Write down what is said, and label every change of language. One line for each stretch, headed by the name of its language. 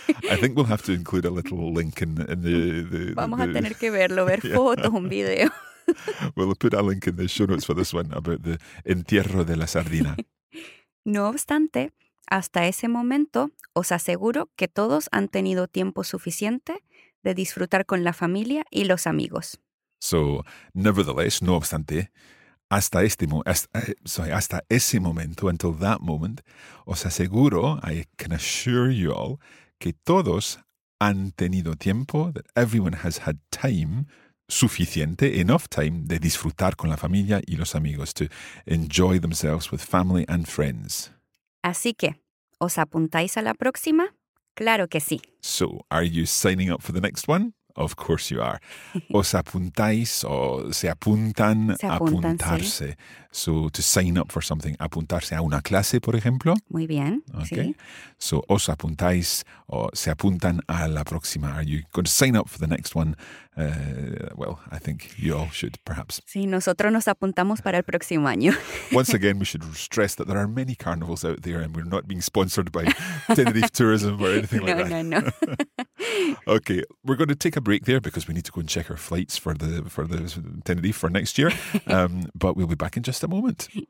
English: I think we'll have to include a little link in the
Spanish: Vamos a tener que verlo, ver fotos, un video.
English: We'll put a link in the show notes for this one about the entierro de la sardina.
Spanish: No obstante, hasta ese momento, os aseguro que todos han tenido tiempo suficiente de disfrutar con la familia y los amigos.
English: So, nevertheless,
Spanish: no obstante, hasta este hasta ese momento,
English: until that moment,
Spanish: os aseguro,
English: I can assure you all,
Spanish: que todos han tenido tiempo,
English: that everyone has had time, suficiente, enough time,
Spanish: de disfrutar con la familia y los amigos,
English: to enjoy themselves with family and friends.
Spanish: Así que, ¿os apuntáis a la próxima? Claro que sí.
English: So, are you signing up for the next one? Of course you are.
Spanish: ¿Os apuntáis o se apuntan? Se apuntan, apuntarse. Sí.
English: So, to sign up for something,
Spanish: apuntarse a una clase, por ejemplo. Muy bien, okay. Sí. So, ¿os apuntáis o se apuntan a la próxima?
English: Are you going to sign up for the next one? Well, I think you all should, perhaps.
Spanish: Sí, nosotros nos apuntamos para el próximo año.
English: Once again, we should stress that there are many carnivals out there and we're not being sponsored by Tenerife Tourism or anything like that.
Spanish: No.
English: Okay, we're going to take a break there because we need to go and check our flights for the Tenerife for next year. But we'll be back in just a moment.